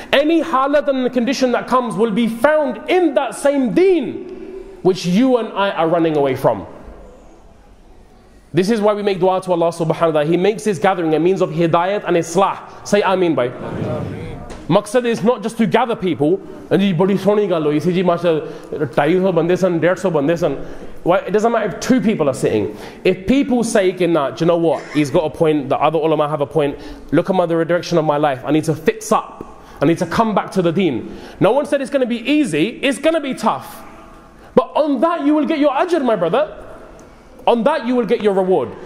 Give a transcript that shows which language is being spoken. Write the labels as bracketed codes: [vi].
[en] Any halat and condition that comes will be found in that same deen which you and I are running away from. This is why we make dua to Allah subhanahu wa ta'ala. He makes this gathering a means of hidayat and islah. Say ameen, bhai. Maqsad is not just to gather people. [pa] And ਜੀ ਬੜੀ ਸੋਹਣੀ ਗੱਲ ਹੋਈ ਸੀ ਜੀ ਮਾਸ਼ਾਅੱਲ੍ਹਾ 250 ਬੰਦੇ ਸਨ 150 ਬੰਦੇ ਸਨ. [en] Why? It doesn't matter if two people are sitting. If people say, nah, do you know what? He's got a point. The other ulama have a point. Look at the redirection of my life. I need to fix up. I need to come back to the deen. No one said it's going to be easy. It's going to be tough. But on that you will get your ajr, my brother. On that you will get your reward.